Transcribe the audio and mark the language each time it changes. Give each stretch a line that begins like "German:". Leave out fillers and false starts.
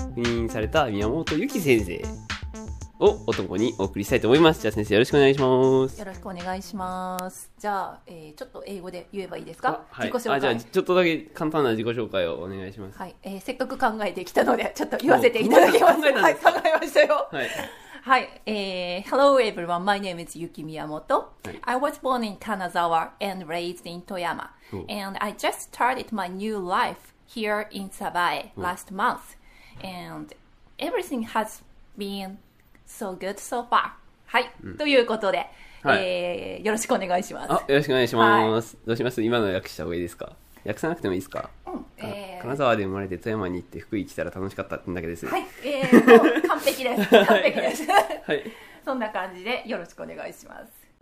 Japanese: 赴任された宮本由紀先生を男にお送りしたいと思います。じゃあ先生よろしくお願いします。よろしくお願いします。じゃあ、ちょっと英語で言えばいいですか？はい、自己紹介。じゃあちょっとだけ簡単な自己紹介をお願いします。はい、せっかく考えてきたので、ちょっと言わせていただきます。はい、考えましたよ。はい。
English: はい、Hello everyone, my name is Yuki Miyamoto.、はい、I was born in Kanazawa and raised in Toyama. And I just started my new life here in Sabae last month. And everything has been so good so far.
Japanese: はい、ということで、よろしくお願いします。あ、よろしくお願いします。はい、どうします？今の訳した方がいいですか？訳さなくてもいいですか？うん、金沢で生まれて富山に行って福井来たら楽しかったってだけです。はい、もう完璧です。完璧です。はい、はい、そんな感じでよろしくお願いします。